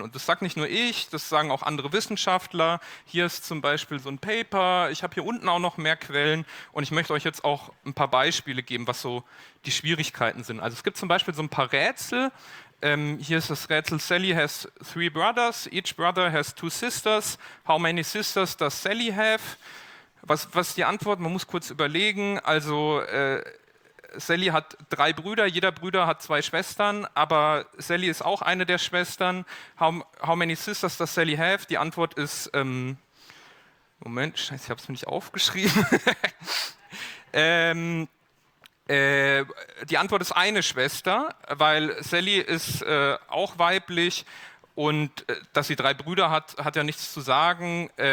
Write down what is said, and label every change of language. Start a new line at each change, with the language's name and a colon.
German: Und das sage nicht nur ich, das sagen auch andere Wissenschaftler. Hier ist zum Beispiel so ein Paper. Ich habe hier unten auch noch mehr Quellen. Und ich möchte euch jetzt auch ein paar Beispiele geben, was so die Schwierigkeiten sind. Also es gibt zum Beispiel so ein paar Rätsel. Hier ist das Rätsel:
English: Sally has 3 brothers. Each brother has 2 sisters. How many sisters does Sally have?
German: Was ist die Antwort? Man muss kurz überlegen. Also Sally hat 3 Brüder, jeder Bruder hat 2 Schwestern, aber Sally ist auch eine der Schwestern.
English: How many sisters does Sally have?
German: Die Antwort ist, Moment, scheiße, ich habe es mir nicht aufgeschrieben. die Antwort ist eine Schwester, weil Sally ist auch weiblich und dass sie 3 Brüder hat, hat ja nichts zu sagen.